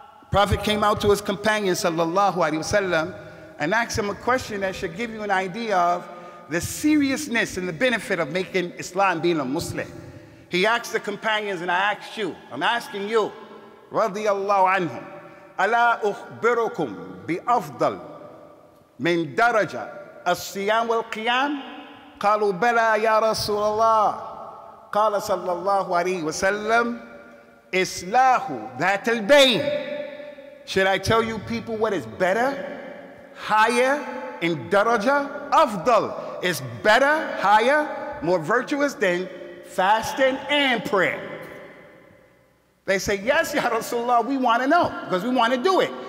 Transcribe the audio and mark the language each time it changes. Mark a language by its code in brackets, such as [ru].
[en] Prophet came out to his companion sallallahu alayhi wa sallam and asked him a question that should give you an idea of the seriousness and the benefit of making islah and being a Muslim. He asked the companions, and I asked you, I'm asking you, radiyallahu anhum, [ar] ala ukhbirukum bi afdal min daraja as-siyam wal-qiyam? قالوا بلى يا رسول الله قال صلى الله عليه وسلم إصلاح ذات البين. [en] Should I tell you people what is better, higher in daraja, afdal, is better, higher, more virtuous than fasting and prayer? They say, yes ya Rasulullah, we want to know because we want to do it.